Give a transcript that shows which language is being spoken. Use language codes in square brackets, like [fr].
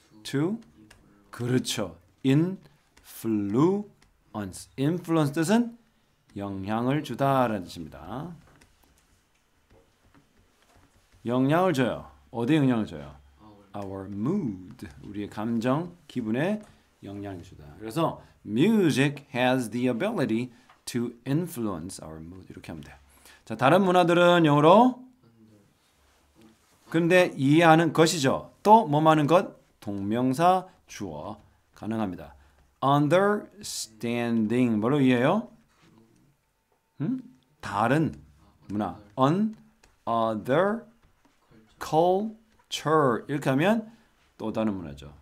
[en] to [ko] 그렇죠. [en] influence. [ko] influence 뜻은 영향을 주다라는 뜻입니다. 영향을 줘요. 어디에 영향을 줘요? [en] Our mood. [ko] 우리의 감정, 기분에 영향을 주다. 그래서 [en] music has the ability to influence our mood. [ko] 이렇게 하면 돼요. 자, 다른 문화들은 영어로? 근데 이해하는 것이죠. 또 뭐만 하는 것? 동명사 주어 가능합니다. Understanding. 뭐로 이해해요? 응? 다른 문화. [en] Other culture [ko] 이렇게 하면 또 다른 문화죠.